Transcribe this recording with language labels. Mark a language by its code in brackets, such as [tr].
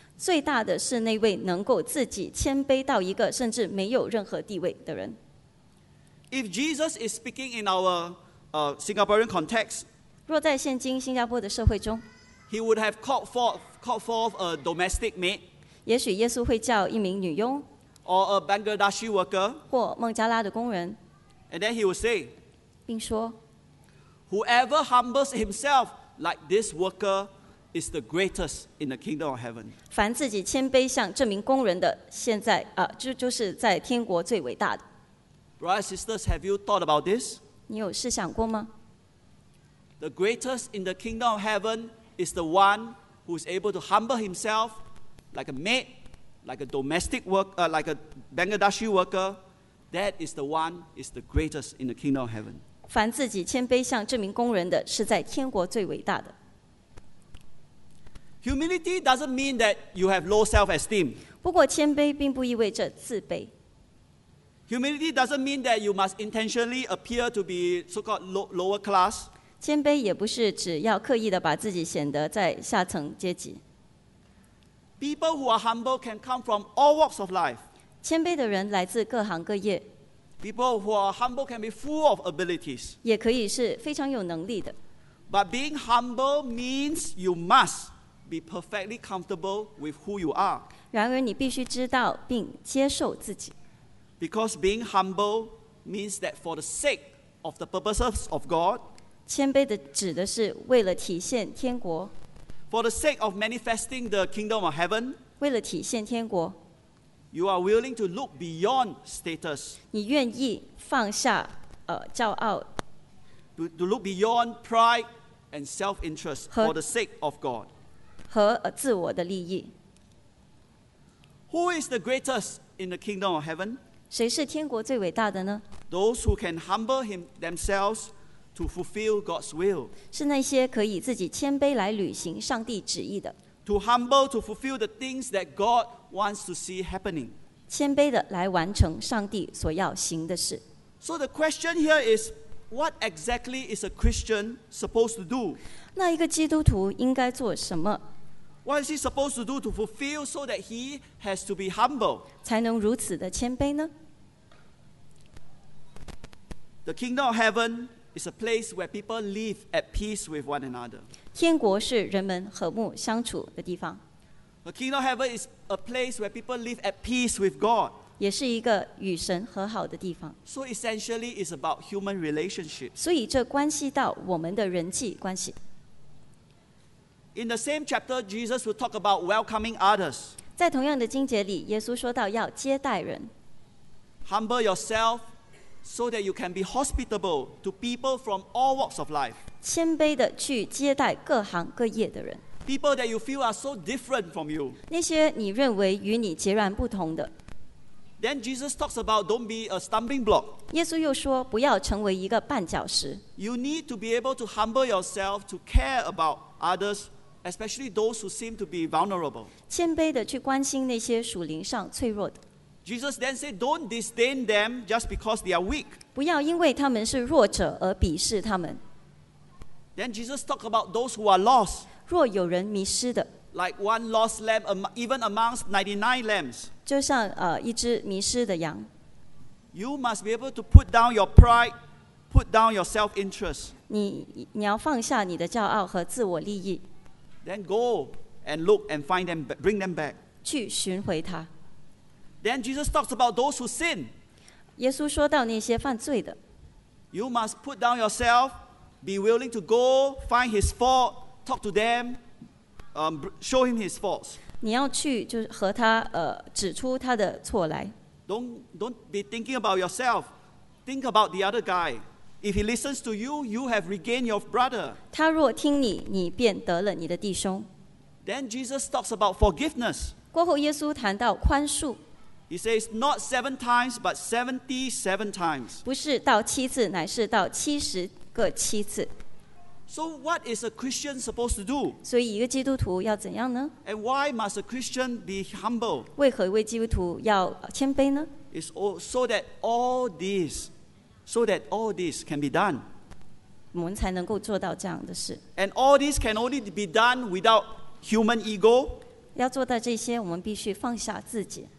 [zh] 最大的是那位能够自己谦卑到一个甚至没有任何地位的人。 [en] If Jesus is speaking in our Singaporean context, [zh] 若在现今新加坡的社会中， [en] he would have called forth a domestic maid. [zh] 也许耶稣会叫一名女佣， [en] or a Bangladeshi worker, [zh] 或孟加拉的工人， [en] and then he would say. [zh] 并说 [en] Whoever humbles himself like this worker is the greatest in the kingdom of heaven. [zh] 凡自己谦卑像这名工人的，现在就是在天国最伟大的。 [en] Brothers and sisters, have you thought about this? [zh] 你有试想过吗？ [en] The greatest in the kingdom of heaven is the one who is able to humble himself like a maid, like a domestic worker, like a Bangladeshi worker. That is the one is the greatest in the kingdom of heaven. [zh] 凡自己谦卑像这名工人的，是在天国最伟大的。 [en] Humility doesn't mean that you have low self-esteem. [zh] 不过谦卑并不意味着自卑。 [en] Humility doesn't mean that you must intentionally appear to be so-called lower class. [zh] 谦卑也不是只要刻意的把自己显得在下层阶级。 [en] People who are humble can come from all walks of life. [zh] 谦卑的人来自各行各业。 [en] People who are humble can be full of abilities. [zh] 也可以是非常有能力的。 [en] But being humble means you must be perfectly comfortable with who you are. [zh] 然而你必须知道并接受自己。 [en] Because being humble means that for the sake of the purposes of God, [zh] 谦卑的指的是为了体现天国。 [en] For the sake of manifesting the kingdom of heaven, [zh] 为了体现天国。 [en] You are willing to look beyond status. [zh] 你愿意放下骄傲。 [en] To look beyond pride and self-interest for the sake of God. [zh] 和自我的利益。 [en] Who is the greatest in the kingdom of heaven? [zh] 谁是天国最伟大的呢？ [en] Those who can humble themselves to fulfill God's will. [zh] 是那些可以自己谦卑来履行上帝旨意的。 [en] To humble to fulfill the things that God wants to see happening. [zh] 谦卑的来完成上帝所要行的事。 [en] So the question here is, what exactly is a Christian supposed to do? [zh] 那一个基督徒应该做什么？ [en] What is he supposed to do to fulfill so that he has to be humble? [zh] 才能如此的谦卑呢？ [en] The kingdom of heaven is a place where people live at peace with one another. [zh] 天国是人们和睦相处的地方。 [en] The kingdom of heaven is a place where people live at peace with God. [zh] 也是一个与神和好的地方。 [en] So essentially, it's about human relationships. [zh] 所以这关系到我们的人际关系。 [en] In the same chapter, Jesus will talk about welcoming others. [zh] 在同样的经节里，耶稣说到要接待人。 [en] Humble yourself so that you can be hospitable to people from all walks of life. [zh] 谦卑的去接待各行各业的人。 [en] People that you feel are so different from you. [zh] 那些你认为与你截然不同的。 [en] Then Jesus talks about don't be a stumbling block. [zh] 耶稣又说不要成为一个绊脚石。 [en] You need to be able to humble yourself to care about others, especially those who seem to be vulnerable. [zh] 谦卑的去关心那些属灵上脆弱的。 [en] Jesus then said, don't disdain them just because they are weak. [zh] 不要因为他们是弱者而鄙视他们。 [en] Then Jesus talked about those who are lost. [zh] 若有人迷失的。 [en] Like one lost lamb, even amongst 99 lambs. [zh] 就像一只迷失的羊。 [en] You must be able to put down your pride, put down your self-interest. [zh] 你要放下你的骄傲和自我利益。 [en] Then go and look and find them, bring them back. [zh] 去寻回他。 [en] Then Jesus talks about those who sin. [zh] 耶稣说到那些犯罪的。 [en] You must put down yourself, be willing to go, find his fault, talk to them, show him his faults. [zh] 你要去就和他指出他的错来。 [en] Don't be thinking about yourself. Think about the other guy. If he listens to you, you have regained your brother. [zh] 他若听你，你便得了你的弟兄。 [en] Then Jesus talks about forgiveness. [zh] 过后耶稣谈到宽恕。 [en] He says not seven times, but 77 times. [zh] 不是到七次，乃是到七十个七次。 [en] So what is a Christian supposed to do? [zh] 所以一个基督徒要怎样呢？ [en] And why must a Christian be humble? [zh] 为何一位基督徒要谦卑呢？ [en] It's all, so that all this can be done. [zh] 我们才能够做到这样的事。 [en] And all this can only be done without human ego. [zh] 要做到这些，我们必须放下自己。